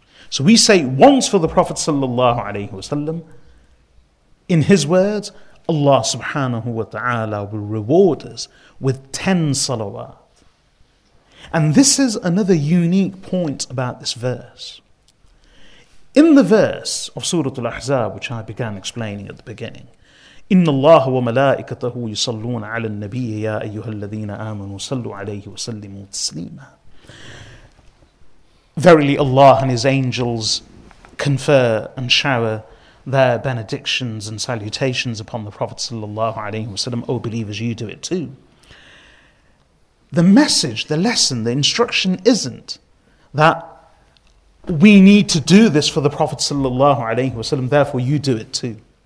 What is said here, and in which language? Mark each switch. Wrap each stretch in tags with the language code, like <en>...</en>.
<en>So we say once for the Prophet sallallahu alayhi wa sallam. In his words, Allah subhanahu wa ta'ala will reward us with 10 salawat. And this is another unique point about this verse. In the verse of Surah Al-Ahzab, which I began explaining at the beginning,</en> <ar>إِنَّ اللَّهَ وَمَلَائِكَتَهُ يُصَلُّونَ عَلَى النَّبِيِّ يَا أَيُّهَا الَّذِينَ آمَنُوا صَلُّوا عَلَيْهِ وَسَلِّمُوا تَسْلِيمًا.</ar> <en>Verily Allah and His angels confer and shower their benedictions and salutations upon the Prophet sallallahu alayhi wa sallam. Oh believers, you do it too. The message, the lesson, the instruction isn't that we need to do this for the Prophet sallallahu alayhi wa sallam, therefore you do it too.</en>